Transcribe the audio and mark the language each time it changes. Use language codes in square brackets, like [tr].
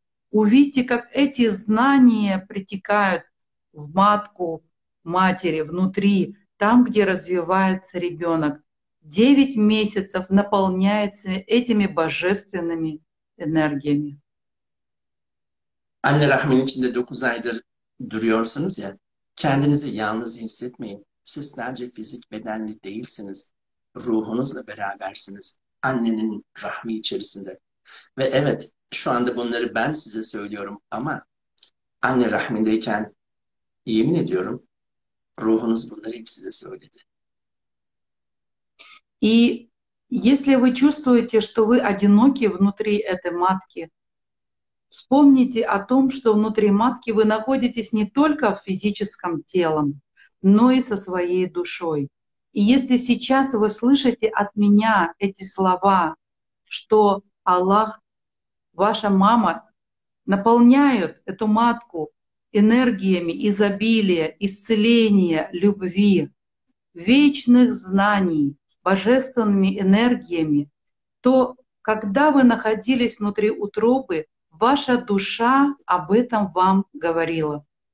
[ru] Увидьте, как эти знания притекают в матку матери, внутри, там, где развивается ребенок. 9 месяцев наполняется этими божественными энергиями. [tr] Anne rahminin içinde 9 aydır duruyorsunuz ya, kendinizi yalnız hissetmeyin. Siz sadece fizik bedenli değilsiniz. Ruhunuzla berabersiniz. Annenin rahmi içerisinde. Ve evet, şu anda bunları ben size söylüyorum ama anne rahmindeyken yemin ediyorum ruhunuz bunları hep size söyledi. [ru] И если вы чувствуете, что вы одиноки внутри этой матки, вспомните о том, что внутри матки вы находитесь не только физическим телом, но и со своей душой. И если сейчас вы слышите от меня эти слова, что Аллах, ваша мама, наполняют эту матку энергиями изобилия, исцеления, любви, вечных знаний, божественными энергиями, то когда вы находились внутри утробы, ваша душа об этом вам говорила.